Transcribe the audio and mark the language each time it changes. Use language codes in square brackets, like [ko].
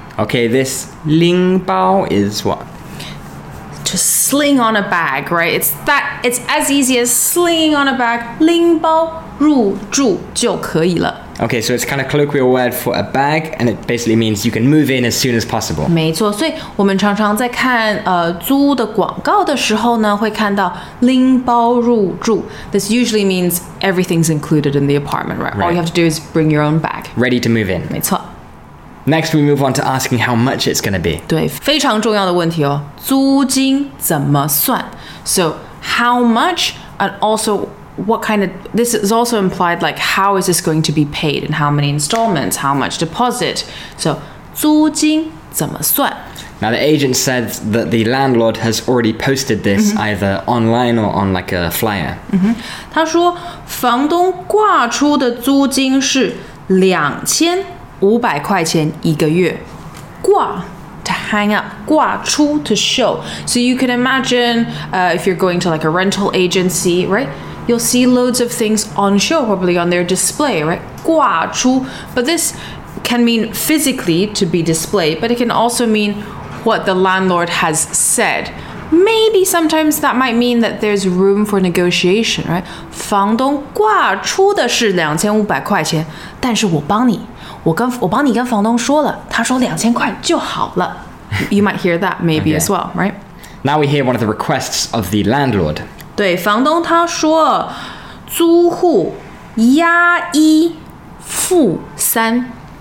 [en] Okay, this 拎包 is what? To sling on a bag, right? It's as easy as slinging on a bag. [zh] 拎包入住就可以了。 [en] Okay, so it's kind of colloquial word for a bag, and it basically means you can move in as soon as possible. [zh] 没错，所以我们常常在看租的广告的时候呢，会看到拎包入住。 [en] This usually means everything's included in the apartment, right? All you have to do is bring your own bag. Ready to move in. [zh] 没错。 [en] Next, we move on to asking how much it's going to be. [zh] 对，非常重要的问题哦，租金怎么算？ [en] So, how much, and also... What kind of, this is also implied like how is this going to be paid and how many installments, how much deposit. [zh] So, 租金怎么算? [en] Now the agent said that the landlord has already posted this、mm-hmm. either online or on like a flyer.、 Mm-hmm. [zh] 他说房东挂出的租金是2500块钱一个月。 [en] 挂To hang up, 挂出 to show. So you can imagine、if you're going to like a rental agency, right? You'll see loads of things on show, probably on their display, right? 挂出. But this can mean physically to be displayed, but it can also mean what the landlord has said. Maybe sometimes that might mean that there's room for negotiation, right? [zh] 房东挂出的是2500块钱，但是我帮你。我帮你跟房东说了，他说两千块就好了。 [en] You might hear that maybe、okay. as well, right? Now we hear one of the requests of the landlord. [zh] 对，房东他说租户押一付三。